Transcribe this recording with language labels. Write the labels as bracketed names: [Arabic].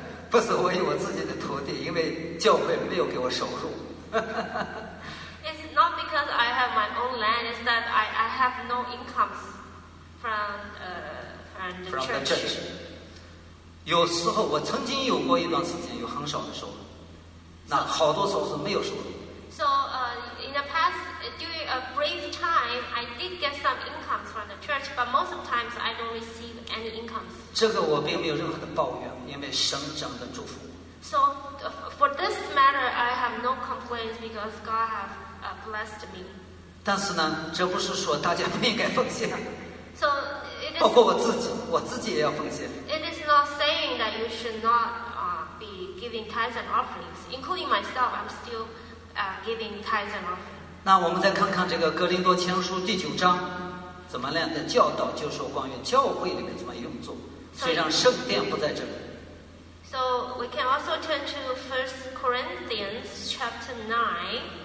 [Chinese] 不是我有我自己的土地，因为教会没有给我收入。 [English] It's not because I have my own land; it's that I have no incomes from the church. [Chinese] 有时候我曾经有过一段时间有很少的收入，那好多时候是没有收入。 [English] So in the past, during a brief time, I did get some incomes from the church, but most of the times I don't receive any incomes. [Chinese] 这个我并没有任何的抱怨，因为神真的祝福。 [English] So for this matter, I have no complaints because God has blessed me. [Chinese] 但是呢，这不是说大家不应该奉献。 [English] So it is. [Chinese] 包括我自己也要奉献。 [English] It is not saying that you should not be giving tithes and offerings, including myself. I'm still. Giving tithes and offerings. [Chinese] 那我们再看看这个《哥林多前书》第九章怎么样的教导，就是关于教会里面怎么用作，虽然圣殿不在这里。 [English] So we can also turn to First Corinthians chapter 9.